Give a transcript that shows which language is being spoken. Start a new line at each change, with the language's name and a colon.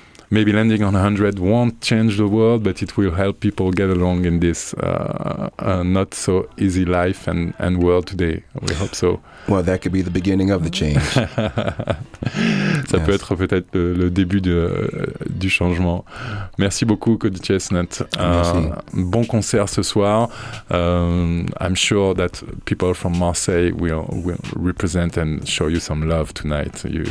English: maybe landing on 100 won't change the world, but it will help people get along in this not so easy life and world today. We hope so. Well, that could be the beginning of the change.
French: Ça yes. peut être peut-être le début de, du changement. Merci beaucoup, Cody Chestnut. Bon concert ce soir.
English: I'm sure that people from Marseille will represent and show you some love tonight.